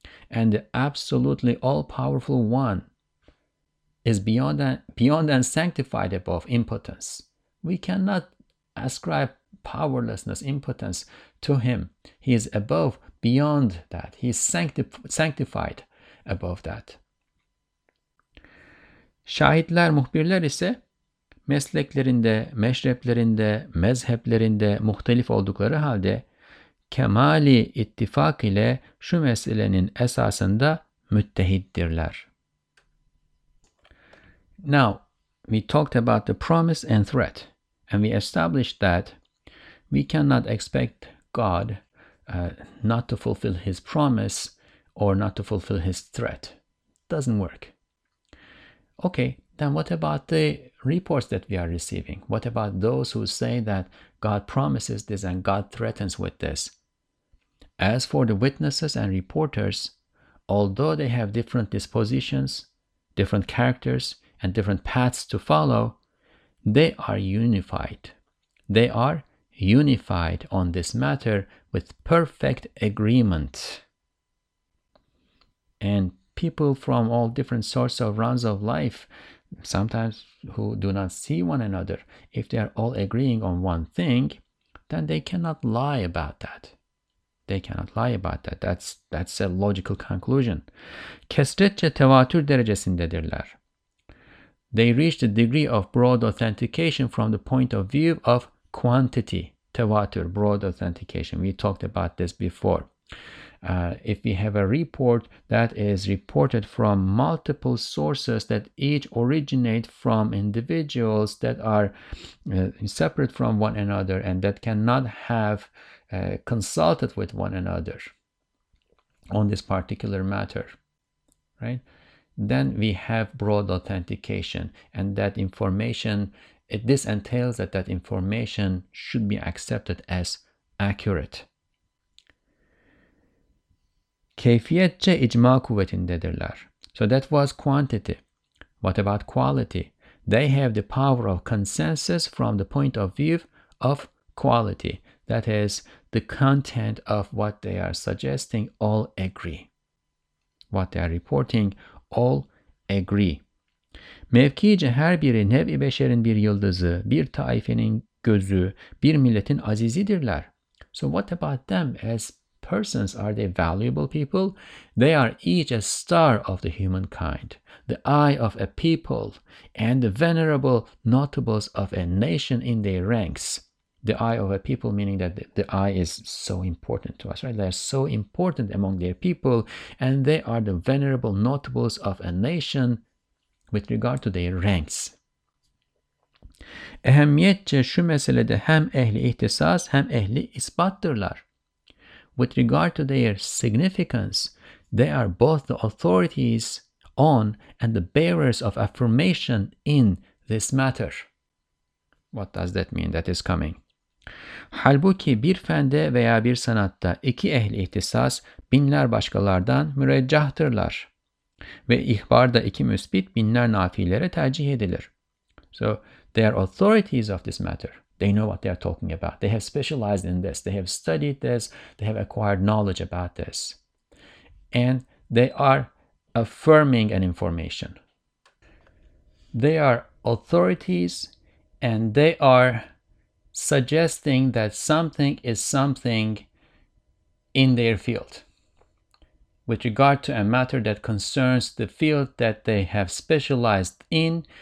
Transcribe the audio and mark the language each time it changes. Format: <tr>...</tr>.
<en>And the absolutely all-powerful one is beyond and sanctified above impotence. We cannot ascribe powerlessness, impotence to him. He is above, beyond that. He is sanctified above that.</en> <tr>Şahitler, muhbirler ise mesleklerinde, meşreplerinde, mezheplerinde muhtelif oldukları halde kemali ittifak ile şu meselenin esasında müttehiddirler.</tr> <en>Now, we talked about the promise and threat, and we established that we cannot expect God not to fulfill his promise or not to fulfill his threat. Doesn't work. Okay, then what about the reports that we are receiving? What about those who say that God promises this and God threatens with this? As for the witnesses and reporters, although they have different dispositions, different characters, and different paths to follow, they are unified. They are unified on this matter with perfect agreement. And people from all different sorts of runs of life, sometimes who do not see one another, if they are all agreeing on one thing, then they cannot lie about that. They cannot lie about that. That's a logical conclusion.</en> <tr>Kesretçe tevatür derecesindedirler.</tr> <en>They reach the degree of broad authentication from the point of view of quantity. Tevatür, broad authentication. We talked about this before. If we have a report that is reported from multiple sources that each originate from individuals that are separate from one another and that cannot have consulted with one another on this particular matter, right? Then we have broad authentication, and that information, this entails that information should be accepted as accurate.</en> <tr>Keyfiyetçe icma kuvvetindedirler.</tr> <en>So that was quantity. What about quality? They have the power of consensus from the point of view of quality. That is, the content of what they are suggesting all agree. What they are reporting all agree.</en> <tr>Mevkice her biri nev-i beşerin bir yıldızı, bir taifenin gözü, bir milletin azizidirler.</tr> <en>So what about them as persons? Are they valuable people? They are each a star of the humankind, the eye of a people, and the venerable notables of a nation in their ranks. The eye of a people, meaning that the eye is so important to us, right? They are so important among their people, and they are the venerable notables of a nation with regard to their ranks.</en> <tr>Ehemmiyetçe şu meselede hem ehli ihtisas hem ehli isbattırlar.</tr> <en>With regard to their significance, they are both the authorities on and the bearers of affirmation in this matter. What does that mean? That is coming.</en> <tr>Halbuki bir fende veya bir sanatta iki ehli ihtisas binler başkalardan müreccahtırlar. Ve ihbarda iki müsbit binler nafilere tercih edilir.</tr> <en>So they are authorities of this matter. They know what they are talking about. They have specialized in this. They have studied this. They have acquired knowledge about this. And they are affirming an information. They are authorities and they are suggesting that something is something in their field with regard to a matter that concerns the field that they have specialized in.</en>